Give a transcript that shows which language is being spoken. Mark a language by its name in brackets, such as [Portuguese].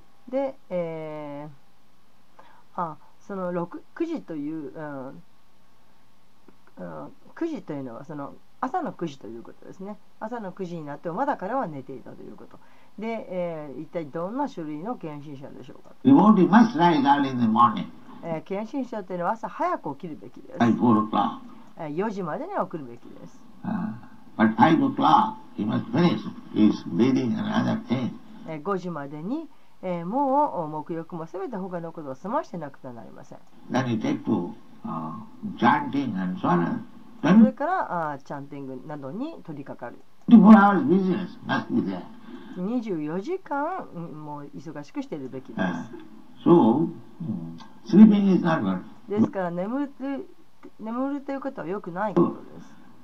[Japanese] で、その9時という、9時というのはその朝の9時ということですね。朝の9時になってもまだ彼は寝ていたということで、一体どんな種類の献身者でしょうか。 [English] Devotee must rise early in the morning. [Japanese] 献身者というのは朝早く起きるべきです。 [English] By 4 o'clock. [Japanese] 4時までには起きるべきです。 [English] But 5 o'clock he must finish his bathing and other things. [Japanese] 5時までに、もう沐浴もすべて他のことを済ましてなくてはなりません。 [English] Then he takes to chanting and so on. [Japanese] それからチャンティングなどに取り掛かる。 [English] 24 hours business must be there. [Japanese] 24時間もう忙しくしているべきです。 [English] So, sleeping is not good. [Japanese] ですから眠るということは良くないことです。